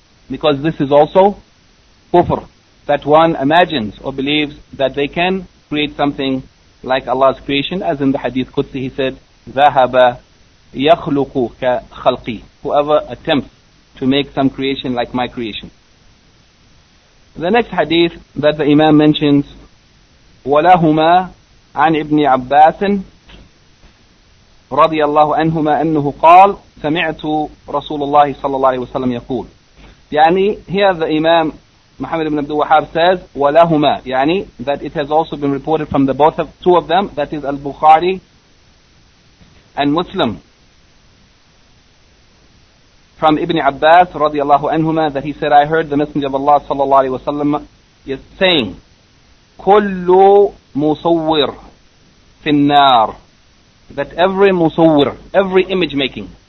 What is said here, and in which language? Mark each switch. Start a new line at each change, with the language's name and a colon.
English: Because this is also kufr, that one imagines or believes that they can create something like Allah's creation, as in the hadith Qudsi, he said,
Arabic: ذَهَبَ يَخْلُقُ كَخَلْقِي,
English: whoever attempts to make some creation like my creation. The next hadith that the Imam mentions,
Arabic: وَلَهُمَا عَنْ إِبْنِ عَبَّاسٍ رَضِيَ اللَّهُ عَنْهُمَا أَنُّهُ قَالَ سَمِعْتُ رَسُولُ اللَّهِ صَلَّى اللَّهِ وَسَلَّمْ يَقُولُ.
English: يعني, here the Imam Muhammad ibn Abdul Wahhab says, وَلَهُمَا, يعني, that it has also been reported from the both of two of them, that is Al-Bukhari and Muslim, from Ibn Abbas radiallahu anhuma, that he said, I heard the Messenger of Allah sallallahu alayhi wa sallam saying,
Arabic: kullu musawwir finnar,
English: that every musawwir, every image making.